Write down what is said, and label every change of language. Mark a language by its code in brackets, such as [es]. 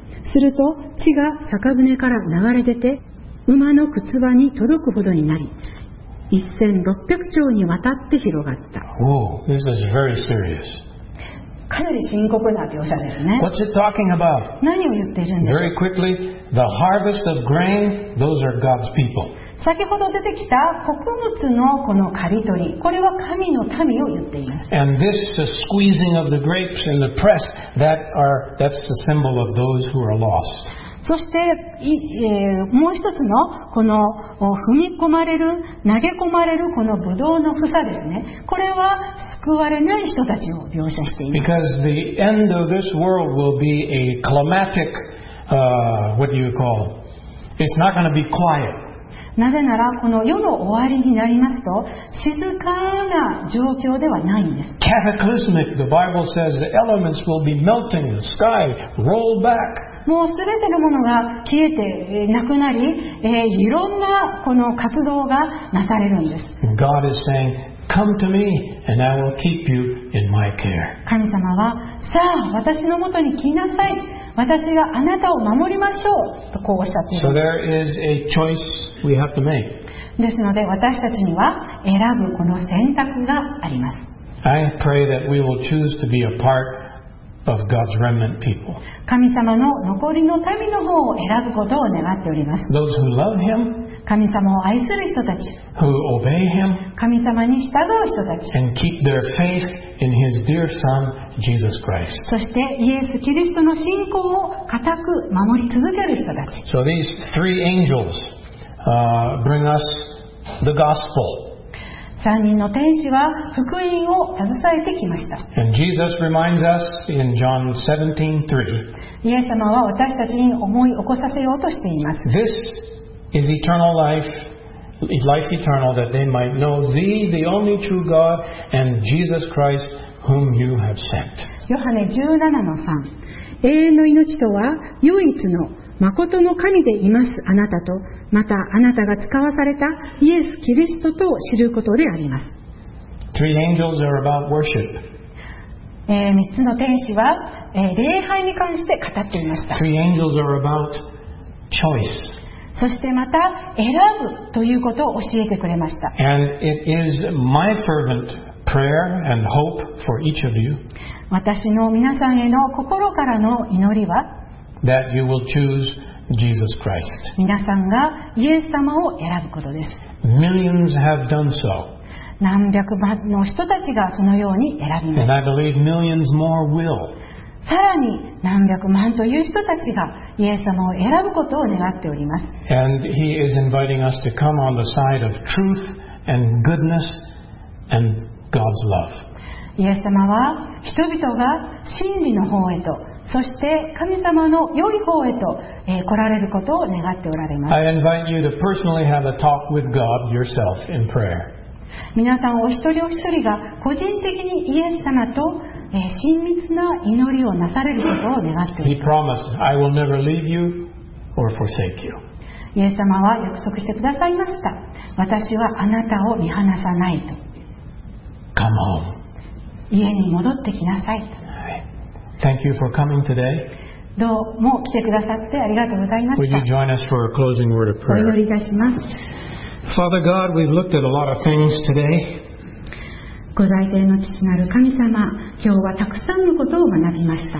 [ja] すると地が酒舟から流れ出て馬の靴輪に届くほどになり、1600丁にわたって広がった。 [en] Oh, this is very serious. [ja] かなり深刻な描写ですね。 [en] What's it talking about? [ja] 何を言っているんでしょう。 [en] Very quickly, the harvest of grain, those are God's people. [ja] 先ほど出てきた穀物のこの刈り取り、これは神の民を言っています。 [en] And this is the squeezing of the grapes in the press, that's the symbol of those who are lost. [ja] そして、もう一つのこの踏み込まれる投げ込まれるこのブドウの房ですね。これは救われない人たちを描写しています。 [en] Because the end of this world will be a climatic, what do you call it? It's not going to be quiet. [ja] なぜならこの世の終わりになりますと静かな状況ではないんです。 [en] Cataclysmic. The Bible says the elements will be melting. The sky roll back. [ja] もうすべてのものが消えてなくなり、いろんなこの活動がなされるんです。 [en] God is saying, "Come to me, and I will keep you in my care." [ja] 神様は、さあ私のもとに来なさい。私があなたを守りましょうとこうおっしゃっています [en] 。So there is a choice we have to make. [ja] ですので私たちには選ぶこの選択があります。 [en] I pray that we will choose to be a part. Of God's remnant people. [ja] 神様の残りの民の方を選ぶことを願っております。 [en] Those who love him, [ja] 神様を愛する人たち。 [en] Who obey him, [ja] 神様に従う人たち。 [en] And keep their faith in his dear son, Jesus Christ. [ja] そしてイエス・キリストの信仰を固く守り続ける人たち。 [en] So these three angels, bring us the gospel. [ja] 3人の天使は福音を携えてきました。 [en] And Jesus reminds us in John 17:3. [ja] イエス様は私たちに思い起こさせようとしています。 [en] This is eternal life, life eternal that they might know thee, the only true God, and Jesus Christ, whom you have sent. [ja] ヨハネ 17:3. 永遠の命とは唯一の誠の神でいますあなたとまたあなたが使わされたイエス・キリストと知ることであります。 [en] Three angels are about worship. [ja] 3つの天使は、礼拝に関して語っていました。 [en] Three angels are about choice. [ja] そしてまた選ぶということを教えてくれました。 [en] And it is my fervent prayer and hope for each of you. [ja] 私の皆さんへの心からの祈りは [en] That you will choose Jesus Christ. [ja] 皆さんがイエス様を選ぶことです。 [en] Millions have done so. [ja] 何百万の人たちがそのように選びました。 [en] And I believe millions more will. [ja] さらに何百万という人たちがイエス様を選ぶことを願っております。 [en] And he is inviting us to come on the side of truth and goodness and God's love. [ja] イエス様は人々が真理の方へとそして神様の良い方へと、来られることを願っておられます。 [en] I invite you to personally have a talk with God yourself in prayer. [ja] 皆さんお一人お一人が個人的にイエス様と、親密な祈りをなされることを願っています。 [en] He promised, I will never leave you or forsake you. [ja] イエス様は約束してくださいました。私はあなたを見放さないと。 [en] Come home. [ja] 家に戻ってきなさい。 [en] Thank you for coming today. [ja] どうも来てくださってありがとうございました。 [en] Will you join us for a closing word of prayer? [ja] お祈りいたします。 [en] Father God, we've looked at a lot of things today. [ja] ご在庭の父なる神様、今日はたくさんのことを学びました。